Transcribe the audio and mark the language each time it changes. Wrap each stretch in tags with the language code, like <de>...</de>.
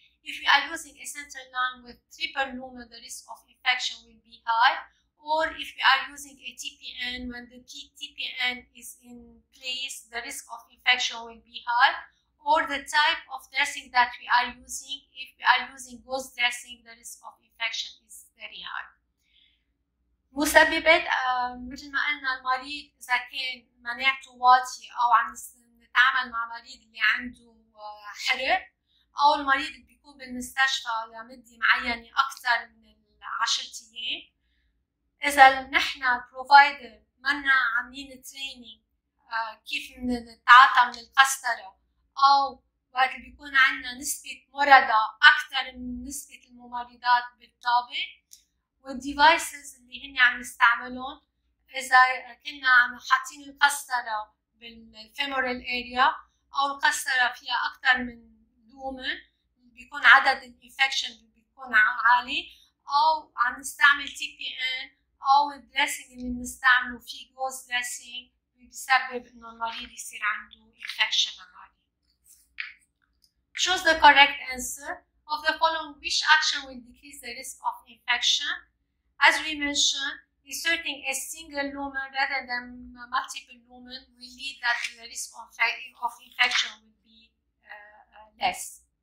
<en>If we are using a central line with triple lumen, the risk of infection will be high. Or if we are using a TPN, when the TPN is in place, the risk of infection will be high. Or the type of dressing that we are using, if we are using ghost dressing, the risk of infection is very high.</en> <ar>مسببات مثل ما قلنا المريض إذا كان مناعته واطية أو عم نتعامل مع مريض اللي عنده حرق أو المريض اللي بيكون بالمستشفى لمدة معينة أكثر من 10 أيام. إذا نحن provider منا عاملين training كيف نتعاطى من القسطرة أو وقت بيكون عندنا نسبة مرضى أكثر من نسبة الممرضات بالطابة، والديفايسز اللي هن عم يستعملون إذا كنا عم حاطين القسطرة بالفيمورال أريا أو القسطرة فيها أكثر من دو woman بيكون عدد الانفكشن بيكون عالي او عم نستعمل تي بي ان او الدريسنج اللي بنستعمله فيه جوز دريسنج بيسبب انه المريض يصير عنده انفكشن عالي.</ar> <en>Choose the correct answer of the following: which action will decrease the risk of infection? As we mentioned, inserting a single lumen rather than multiple lumen will lead that the risk of infection will be less.</en>